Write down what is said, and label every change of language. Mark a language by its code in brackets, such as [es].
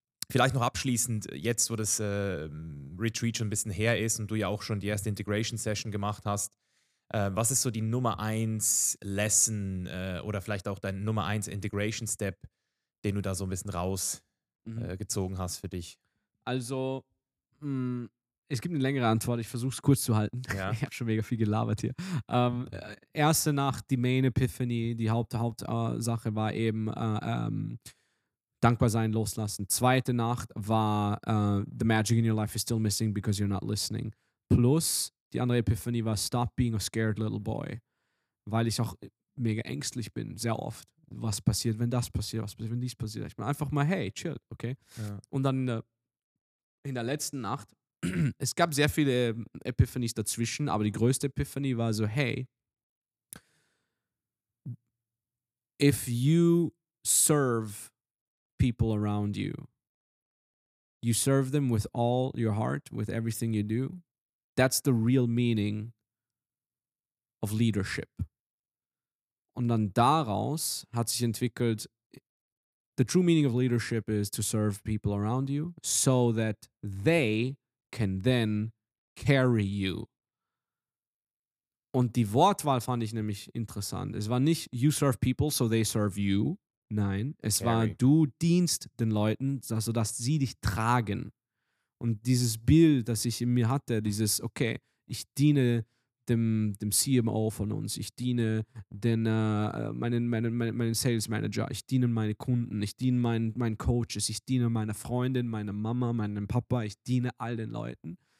[de] Vielleicht noch abschließend, jetzt wo das Retreat schon ein bisschen her ist und du ja auch schon die erste Integration Session gemacht hast, was ist so die Nummer 1 Lesson oder vielleicht auch dein Nummer 1 Integration Step, den du da so ein bisschen rausgezogen hast für dich? Also, es gibt eine längere Antwort, ich versuche es kurz zu halten. Ja. Ich habe schon mega viel gelabert hier. Erste Nacht, die Main Epiphany, die Hauptsache war eben dankbar sein, loslassen. Zweite Nacht war [en] the magic in your life is still missing because you're not listening. Plus, [de] die andere Epiphanie war, [en] stop being a scared little boy. [de] Weil ich auch mega ängstlich bin, sehr oft. Was passiert, wenn das passiert? Was passiert, wenn dies passiert? Ich meine einfach mal, hey, chill, okay? Ja. Und dann in der letzten Nacht, es gab sehr viele Epiphanies dazwischen, aber die größte Epiphanie war so, [en] hey, if you serve people around you, you serve them with all your heart, with everything you do, that's the real meaning of leadership. [de] Und dann daraus hat sich entwickelt, [en] the true meaning of leadership is to serve people around you so that they can then carry you. [de] Und die Wortwahl fand ich nämlich interessant. Es war nicht, [en] you serve people, so they serve you. [de] Nein, es war, du dienst den Leuten, sodass sie dich tragen. Und dieses Bild, das ich in mir hatte, dieses, okay, ich diene dem CMO von uns, ich diene meinen Sales Manager, ich diene meinen Kunden, ich diene meinen Coaches, ich diene meiner Freundin, meiner Mama, meinem Papa, ich diene all den Leuten.